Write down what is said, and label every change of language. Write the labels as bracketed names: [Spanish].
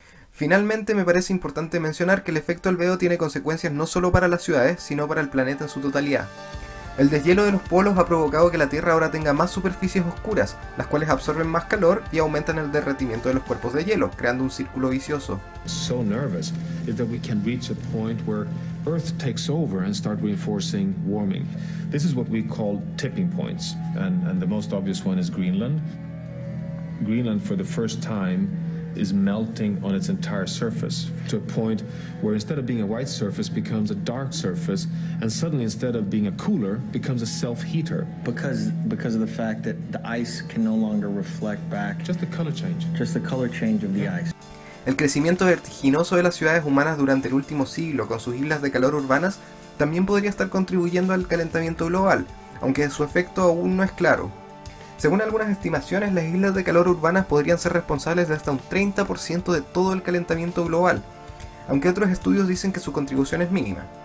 [Spanish] Finalmente, me parece importante mencionar que el efecto albedo tiene consecuencias no solo para las ciudades, sino para el planeta en su totalidad. El deshielo de los polos ha provocado que la Tierra ahora tenga más superficies oscuras, las cuales absorben más calor y aumentan el derretimiento de los cuerpos de hielo, creando un círculo vicioso. [English] So nervous is that we can reach a point where Earth takes over and start reinforcing warming. This is what we call tipping points, and the most obvious one is Greenland. Greenland, for the first time, is melting on its entire surface to a point where instead of being a white surface becomes a dark surface, and suddenly instead of being a cooler becomes a self-heater because of the fact that the ice can no longer reflect back. Just the color change of the ice. [Spanish] El crecimiento vertiginoso de las ciudades humanas durante el último siglo con sus islas de calor urbanas también podría estar contribuyendo al calentamiento global, aunque su efecto aún no es claro. Según algunas estimaciones, las islas de calor urbanas podrían ser responsables de hasta un 30% de todo el calentamiento global, aunque otros estudios dicen que su contribución es mínima.